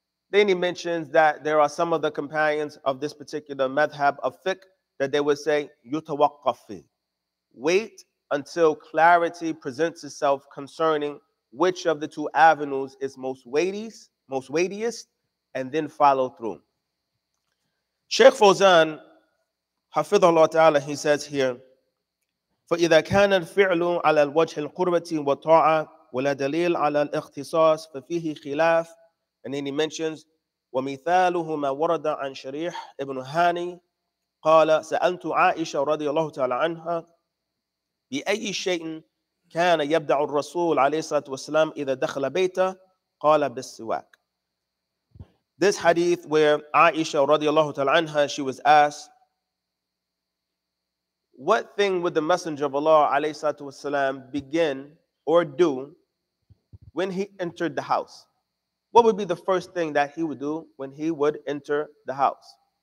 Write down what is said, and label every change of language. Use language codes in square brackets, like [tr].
[en] Then he mentions that there are some of the companions of this particular madhab of fiqh that they would say, yutawakafi, wait until clarity presents itself concerning which of the two avenues is most weightiest, and then follow through. Sheikh Fawzan, hafidhahullah ta'ala, he says here, [ar] فإذا كان الفعل على الوجه القربة والطاعة ولا دليل على الاختصاص ففيه خلاف. [en] And then he mentions, [ar] ومثاله ما ورد عن شريح ابن هاني قال سألت عائشة رضي الله تعالى عنها بأي شيء كان يبدع الرسول عليه الصلاة والسلام إذا دخل بيته قال بالسواك. [en] This hadith where Aisha radiallahu ta'ala anha, she was asked, what thing would the Messenger of Allah alayhi salatu wasalam begin or do when he entered the house? What would be the first thing that he would do when he would enter the house?